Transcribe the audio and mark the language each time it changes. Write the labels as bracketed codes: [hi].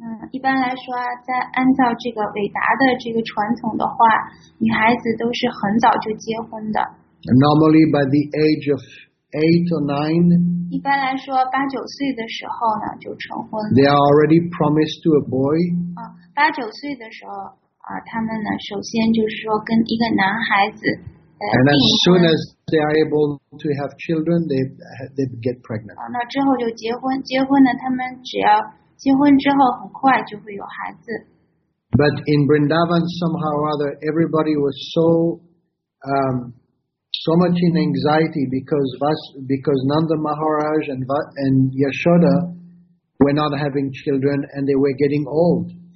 [zh] 一般来说，在按照这个伟达的这个传统的话，女孩子都是很早就结婚的。 [en] Normally by the age of 8 or 9. [zh] 一般来说，八九岁的时候呢，就成婚了。 [en] They are already promised to a boy. [zh] 八九岁的时候，他们呢，首先就是说跟一个男孩子。 [en] And as soon as they are able to have children, they get pregnant. [zh] 那之后就结婚，结婚呢，他们只要结婚之后，很快就会有孩子。 [en] But in Vrindavan, somehow or other, everybody was so much in anxiety because Nanda Maharaj and Yashoda were not having children and they were getting old.